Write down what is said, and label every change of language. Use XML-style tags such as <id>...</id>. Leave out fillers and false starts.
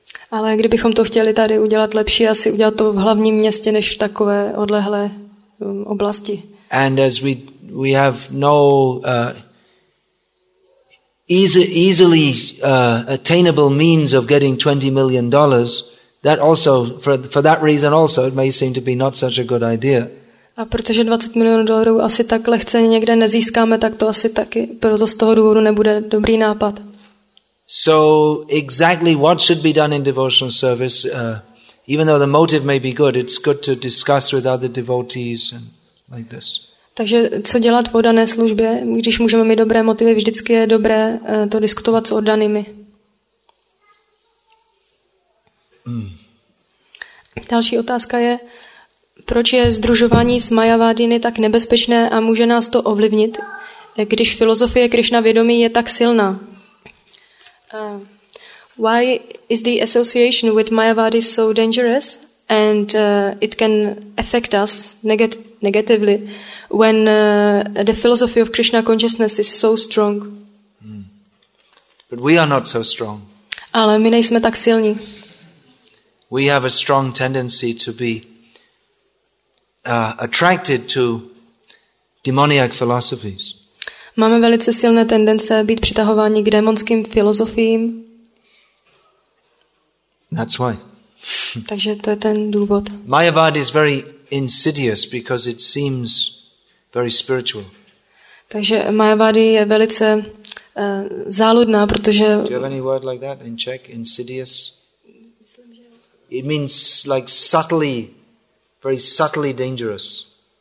<cs>Ale kdybychom to chtěli tady udělat lepší, asi udělat to v hlavním městě než v takové odlehlé oblasti.</cs> <en>And as we have no easily attainable means of getting $20 million, that also for that reason also it may seem to be not such a good idea.</en> <cs>A protože 20 milionů dolarů asi tak lehce někde nezískáme, tak to asi taky proto z toho důvodu nebude dobrý nápad.</cs> <en>So exactly what should be done in devotional service, even though the motive may be good, it's good to discuss with other devotees and like this.</en> <cs>Takže co dělat v oddané službě, když můžeme mít dobré motivy, vždycky je dobré to diskutovat s oddanými. Další otázka je, proč je sdružování s Mayavadiny tak nebezpečné a může nás to ovlivnit, když filozofie Krišna vědomí je tak silná?</cs> <en>Why is the association with Mayavadi so dangerous and it can affect us negatively, when the philosophy of Krishna consciousness is so strong. Hmm. But we are not so strong.</en> <cs>Ale my nejsme tak silní.</cs> <en>We have a strong tendency to be attracted to demoniac philosophies.</en> <cs>Máme velice silné tendence být přitahováni k démonským filozofiím.</cs> <en>That's why.</en> <cs>Takže to je ten důvod.</cs> <en>Mayavad is very insidious because it seems very spiritual.</en> <cs>Takže Mayavad je velice záludná, protože.</cs> <en>Do you have any word like that in Czech? Insidious. It means like subtly, very subtly dangerous.</en>